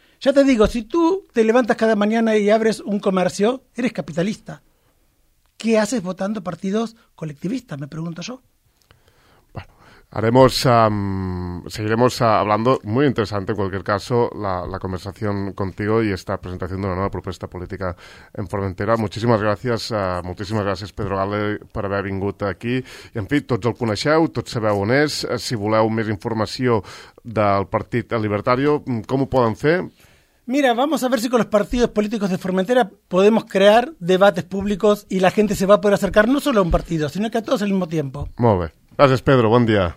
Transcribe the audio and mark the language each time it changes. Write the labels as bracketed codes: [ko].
[es] Ya te digo, si tú te levantas cada mañana y abres un comercio, eres capitalista. ¿Qué haces votando partidos colectivistas, me pregunto yo? Haremos, seguiremos hablando, muy interesante en cualquier caso, la conversación contigo y esta presentación de una nueva propuesta política en Formentera. [ca] Muchísimas gràcies, Pedro Galí, per haver vingut aquí. I, en fi, tots el coneixeu, tots sabeu on és. Si voleu més informació del Partit Libertari, com ho poden fer? [es] Mira, vamos a ver si con los partidos políticos de Formentera podemos crear debates públicos y la gente se va a poder acercar no solo a un partido, sino que a todos al mismo tiempo. Muy bien. Gracias, Pedro. Buen día.